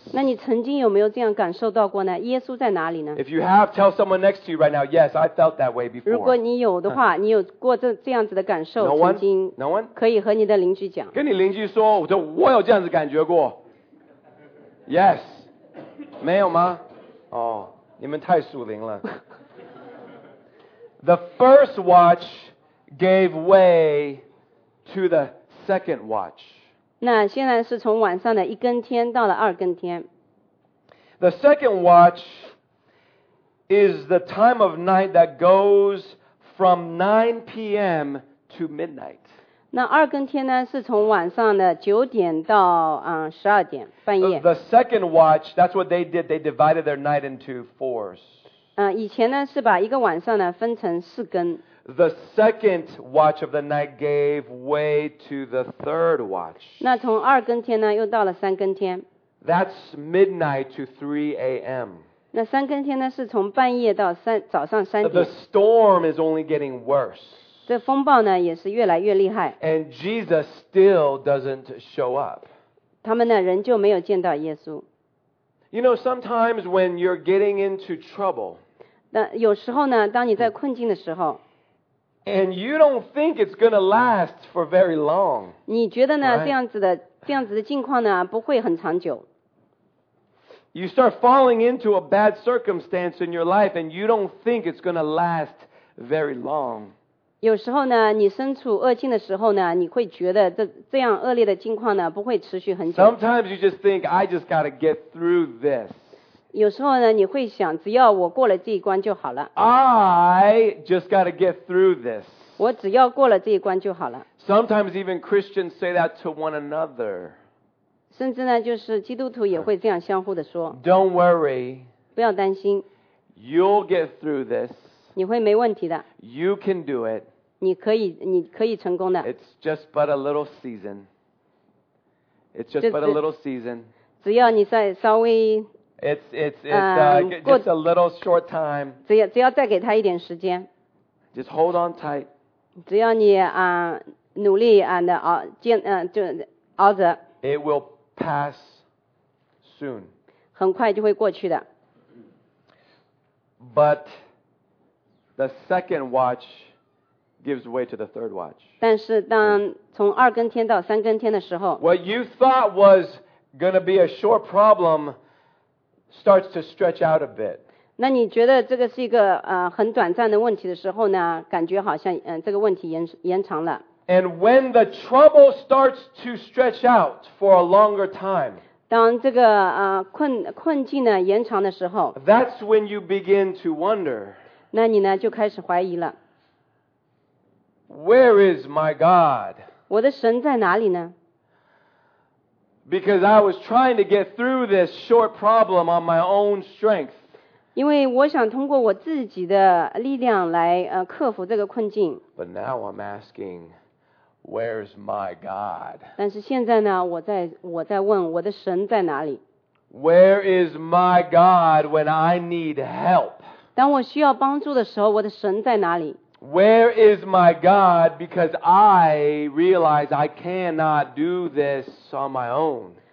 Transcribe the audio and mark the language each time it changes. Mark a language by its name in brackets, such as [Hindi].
[Chinese] 那你曾经有没有这样感受到过呢？耶稣在哪里呢？ [English] If you have, tell someone next to you right now. Yes, I felt that way before. [Chinese] 如果你有的话，你有过这样子的感受，曾经 [English] ，No one， [Chinese] 可以和你的邻居讲。跟你邻居说，我有这样子感觉过。 Yes， 没有吗？哦，你们太属灵了。 [English] The first watch gave way to the second watch. [Chinese] 那现在是从晚上的一更天到了二更天。 [English] The second watch is the time of night that goes from 9 p.m. to midnight. [Chinese] 那二更天呢，是从晚上的九点到十二点半夜。 [English] The second watch, that's what they did. They divided their night into fours. [Chinese] 以前呢是把一个晚上呢分成四更。 [English] The second watch of the night gave way to the third watch. [Chinese] 那从二更天呢又到了三更天。 [English] That's midnight to 3 a.m. [Chinese] 那三更天呢是从半夜到早上三点。 [English] The storm is only getting worse. [Chinese] 这风暴呢也是越来越厉害。 [English] And Jesus still doesn't show up. [Chinese] 他们呢仍旧没有见到耶稣。 [English] You know, sometimes when you're getting into trouble, [Chinese] 那有时候呢当你在困境的时候， [English] And you don't think it's going to last for very long. [Chinese] 你觉得呢、 [English] right? [Chinese] 这样子的境况呢不会很长久。 [English] You start falling into a bad circumstance in your life and you don't think it's going to last very long. [Chinese] 有时候呢你身处恶境的时候呢你会觉得 这样恶劣的境况呢不会持续很久。 [English] Sometimes you just think, I just gotta get through this. [Chinese] 有时候呢你会想只要我过了这一关就好了。 [English] I just gotta get through this. [Chinese] 我只要过了这一关就好了。 [English] Sometimes even Christians say that to one another. [Chinese] 甚至呢就是基督徒也会这样相互的说。 [English] Don't worry. [Chinese] 不要担心。 [English] You'll get through this. [Chinese] 你会没问题的。 [English] You can do it. [Chinese] 你可以成功的。 [English] It's just but a little season. It's just but a little season. [Chinese] 只要你再稍微。 [English] It's just a little short time. [Chinese] 只要再给他一点时间。 [English] Just hold on tight. [Chinese] 只要你努力就熬着。 [English] It will pass soon. [Chinese] 很快就会过去的。 [English] But. The second watch gives way to the third watch. [Chinese] 但是当从二更天到三更天的时候， [English] What you thought was going to be a short problem starts to stretch out a bit. [Chinese] 那你觉得这个是一个很短暂的问题的时候呢，感觉好像这个问题延长了。 [English] And when the trouble starts to stretch out for a longer time, [Chinese] 当这个困境呢延长的时候 [English] ，That's when you begin to wonder. [Chinese] 那你呢就开始怀疑了。 [English] Where is my God? [Chinese] 我的神在哪里呢？ [English] Because I was trying to get through this short problem on my own strength. [Chinese] 因为我想通过我自己的力量来克服这个困境。 [English] But now I'm asking, where's my God? [Chinese] 但是现在呢，我在问我的神在哪里。 [English] Where is my God when I need help? [Chinese] 当我需要帮助的时候，我的神在哪里？ [English] Where is my God? Because I realize I cannot do this on my own.